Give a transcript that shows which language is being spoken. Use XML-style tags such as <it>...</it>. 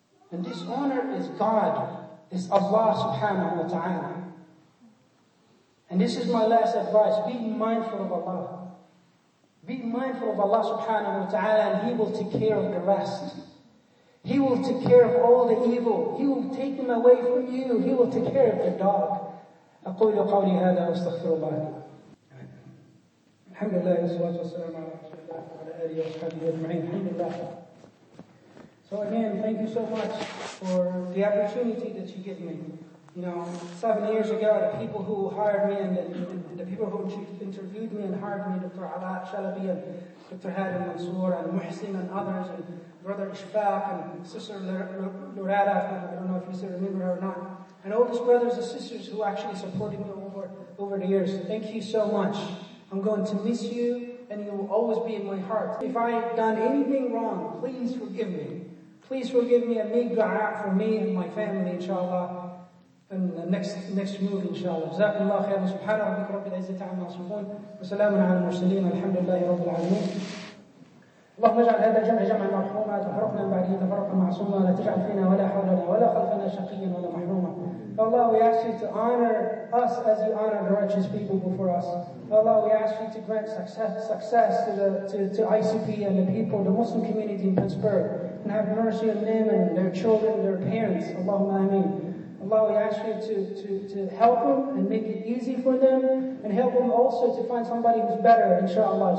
<en>And this owner is God, is Allah subhanahu wa ta'ala. And this is my last advice. Be mindful of Allah. Be mindful of Allah subhanahu wa ta'ala, and He will take care of the rest. He will take care of all the evil. He will take them away from you. He will take care of the dog.</en> <ar>أقول قولي هذا واستغفر الله. الحمد لله والصلاة والسلام على رسول الله وعلى آله وصحبه أجمعين. الحمد لله.</ar> <en>So again, thank you so much for the opportunity that you give me. You know, 7 years ago, the people who hired me and the people who interviewed me and hired me, Dr. Alaa Shalabi and Dr. Hadi Mansour and Muhsin and others, and Brother Ishfaq and Sister Lurada, I don't know if you still remember her or not, and all these brothers and sisters who actually supported me over the years, thank you so much. I'm going to miss you, and you will always be in my heart. If I've done anything wrong, please forgive me. Please forgive me and make dua for me and my family, inshallah. And the next move, inshallah.</en> <ar>Jazakumullah khair. Subhanahu wa ta'ala. Rabbil izzati amma yasifun. Wa salamun ala al-mursaleen. Alhamdulillahi rabbil alameen. اللهم اجعل هذا الجمع جمعا مرحوما تفرقنا من بعده تفرقا معصوما لا تجعل فينا ولا حولنا ولا خلفنا شقيا ولا محروما.</ar> <en>Allah, we ask you to honor us as you honor the righteous people before us. Allah, we ask you to grant success to ICP and the people, the Muslim community in Pittsburgh, and have mercy on them and their children, their parents. Allahumma ameen. Allah, we ask you to help them and make it easy for them, and help them also to find somebody who's better, inshaAllah.</en>